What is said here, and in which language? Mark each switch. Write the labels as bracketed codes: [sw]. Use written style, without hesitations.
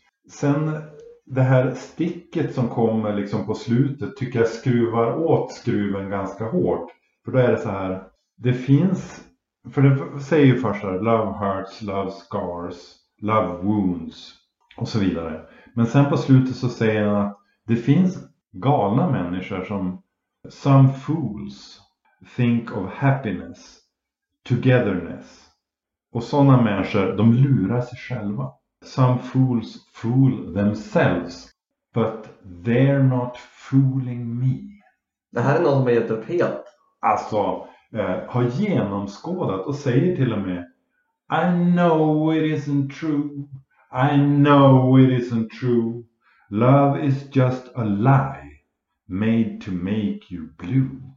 [sv] Sen det här sticket som kommer liksom på slutet tycker jag skruvar åt skruven ganska hårt. För då är det så här, det finns, för det säger ju först här, [en] love hurts, love scars, love wounds [sv] och så vidare. Men sen på slutet så säger han att det finns galna människor som... [en] Some fools think of happiness, togetherness. [sv] Och sådana människor, de lurar sig själva. [en] Some fools fool themselves, but they're not fooling me. [sv] Det här är något som har gett upp helt. Alltså, har genomskådat och säger till och med, [en] I know it isn't true, [sv] I know it isn't true. [en] Love is just a lie. Made to make you blue.